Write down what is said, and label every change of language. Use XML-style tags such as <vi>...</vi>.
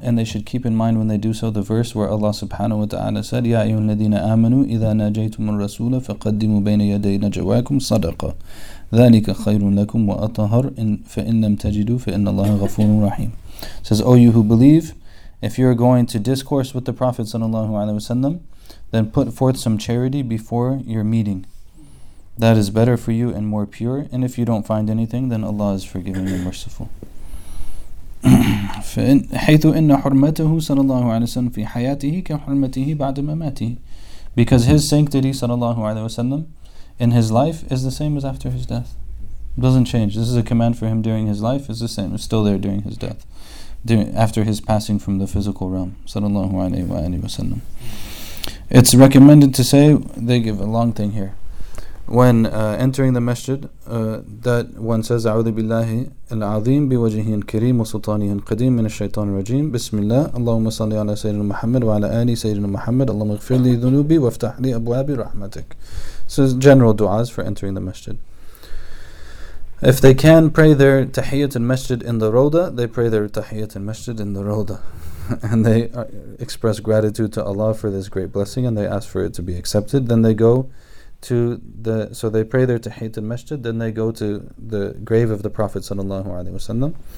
<en>And they should keep in mind when they do so the verse where Allah subhanahu wa ta'ala said,</en> <ar>يَا أَيُّهَا الَّذِينَ آمَنُوا إِذَا نَاجَيْتُمُ الرَّسُولَ فَقَدِّمُوا بَيْنَ يَدَيْ نَجْوَاكُمْ صَدَقًا ذَلِكَ خَيْرٌ لَكُمْ وَأَطَهَرٌ فَإِنْ لَمْ تَجِدُوا فَإِنَّ اللَّهَ غَفُورٌ رَحِيمٌ.</ar> <en>Says, O you who believe, if you're going to discourse with the Prophet sallallahu alayhi wa sallam, then put forth some charity before your meeting. That is better for you and more pure. And if you don't find anything, then Allah is forgiving and merciful.</en> <ar>حيث إن حرمته صلى الله عليه وسلم في حياته كحرمته بعد مماته.</ar> <en>Because his sanctity صلى الله عليه وسلم in his life is the same as after his death. It doesn't change. This is a command for him during his life. It's the same. It's still there during his death, after his passing from the physical realm صلى الله عليه وسلم. It's recommended to say, they give a long thing here, when entering the masjid, that one says,</en> <ar>أعوذ بالله العظيم بوجهه الكريم وسلطانه القديم من الشيطان الرجيم بسم الله اللهم صل على سيدنا محمد وعلى آله سيدنا محمد اللهم اغفر لي ذنوبي وافتح لي أبواب رحمتك.</ar> <en>So general du'as for entering the masjid. If they can pray their tahiyyat al-masjid in the rawdah, they pray their tahiyyat al-masjid in the rawdah. And they express gratitude to Allah for this great blessing, and they ask for it to be accepted. Then they go to the, so they pray their tahiyyat al-masjid, then they go to the grave of the Prophet sallallahu alaihi wasallam.</en>